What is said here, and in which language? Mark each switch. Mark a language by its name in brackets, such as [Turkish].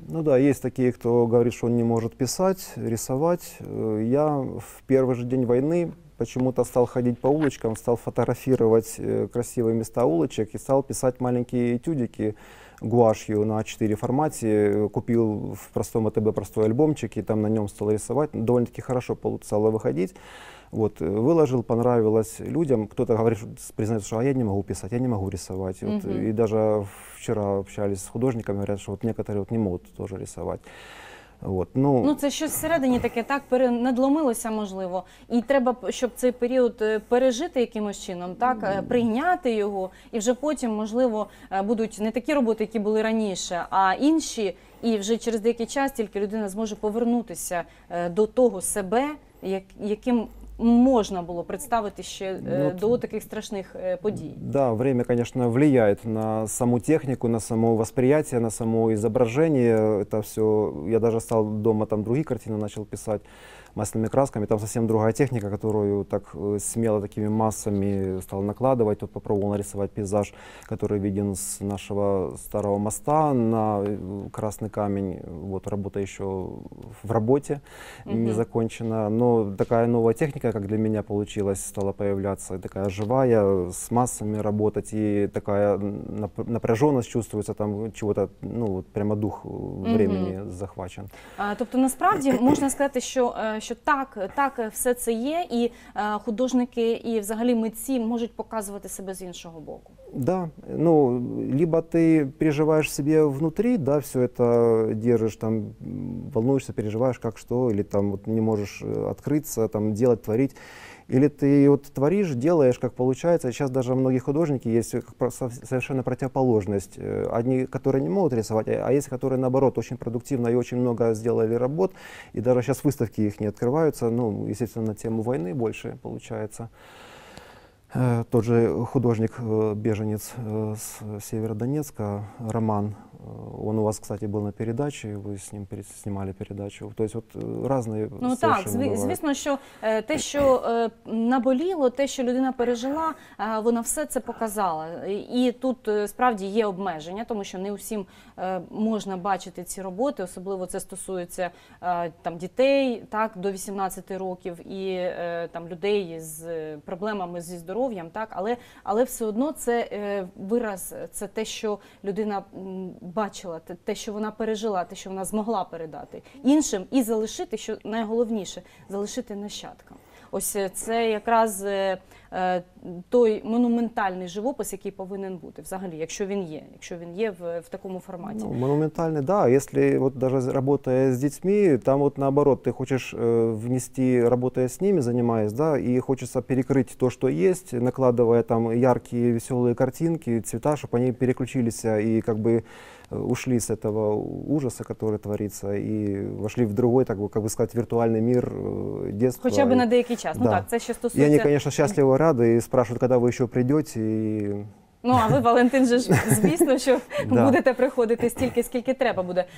[Ukrainian] Ну так, да, є такі, хто говорить, що він не може писати, рисувати. [Russian] Я [Ukrainian] в перший же день війни [Russian] почему-то стал ходить [Ukrainian] по вулочкам, [Russian] стал фотографировать красивые места улочек и стал писать маленькие этюдики гуашью на А4 формате. Купил в простом АТБ простой альбомчик и там на нем стал рисовать. Довольно-таки хорошо получало выходить. Вот, выложил, понравилось людям. Кто-то говорит, признается, что я не могу писать, я не могу рисовать. Вот, и даже вчера общались с художниками, говорят, что вот некоторые вот не могут тоже рисовать. Вот, [Ukrainian] ну, це щось всередині таке, так, надломилося, можливо, і треба, щоб цей період пережити якимось чином, так, прийняти його, і вже потім, можливо, будуть не такі роботи, які були раніше, а інші, і вже через деякий час тільки людина зможе повернутися до того себе, яким можна було представити ще до таких страшних подій. [Russian] Да, время, конечно, влияет на саму технику, на само восприятие, на само изображение. Это все, я даже стал дома там другие картины начал писать масляными красками, там совсем другая техника, которую так смело такими массами стал накладывать. Тут попробовал нарисовать пейзаж, который виден с нашего старого моста на красный камень. Вот работа еще в работе, не закончена, но такая новая техника. практика, как для меня получилось, стала появляться такая живая, с массами работать, и такая напряженность чувствуется, там чего-то, ну, вот прямо дух времени захвачен. [Ukrainian] Тобто, насправді, можна сказати, що так все це є, і художники, і взагалі митці можуть показувати себе з іншого боку. [Russian] Да, ну, либо ты переживаешь себе внутри, да, все это держишь, там, волнуешься, переживаешь, как что, или там вот не можешь открыться, там, делать, творить, или ты вот творишь, делаешь, как получается. Сейчас даже у многих художников есть совершенно противоположность. Одни, которые не могут рисовать, а есть, которые, наоборот, очень продуктивно и очень много сделали работ, и даже сейчас выставки их не открываются, ну, естественно, на тему войны больше получается. Тот же художник-беженец с Северодонецка, Роман, он у вас, кстати, был на передаче, вы с ним снимали передачу. То есть вот разные... [Ukrainian] Ну так, звісно, що те, що наболіло, те, що людина пережила, вона все це показала. І тут справді є обмеження, тому що не усім можна бачити ці роботи, особливо це стосується там дітей, так, до 18 років, і там людей з проблемами зі здоров'ям. Так, але все одно це вираз, це те, що людина бачила, те, що вона пережила, те, що вона змогла передати іншим і залишити, що найголовніше, залишити нащадкам. Ось це якраз той монументальний живопис, який повинен бути взагалі, якщо він є в такому форматі. Ну, монументальний, да. [Russian] Если вот даже работая с детьми, там вот наоборот, ты хочешь внести, работая с ними, занимаясь, да, и хочется перекрыть то, что есть, накладывая там яркие, веселые картинки, цвета, чтобы они переключились и как бы ушли с этого ужаса, который творится, и вошли в другой, так бы, как бы сказать, виртуальный мир детства. [Ukrainian] Хоча бы на деякий час. Да. Ну так, це ще стосується... [Russian] И они, конечно, счастливы, рады, и спрашивают, когда вы еще придете. И... [Ukrainian] Ну, а ви, Валентин, же ж, звісно, що будете приходити стільки, скільки треба буде.